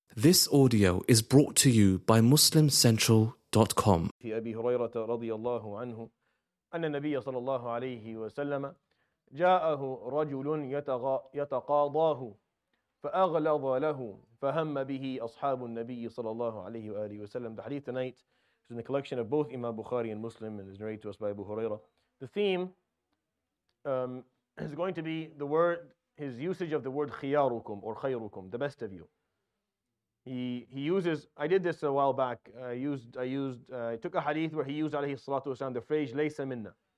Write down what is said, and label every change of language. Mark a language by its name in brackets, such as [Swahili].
[English] This audio is brought to you by MuslimCentral.com. [Arabic] في أبي هريرة رضي الله عنه أن النبي صلى الله عليه وسلم جاءه رجل يتقاضاه فأغلظ له فهم به أصحاب النبي صلى الله عليه وآله وسلم. [English] The hadith tonight is in the collection of both Imam Bukhari and Muslim and is narrated to us by Abu Huraira. The theme is going to be the word, his usage of the word khiyarukum or khayrukum, the best of you. He uses, I did this a while back, I took a hadith where he used alayhi salatu wasalam the phrase laysa minna.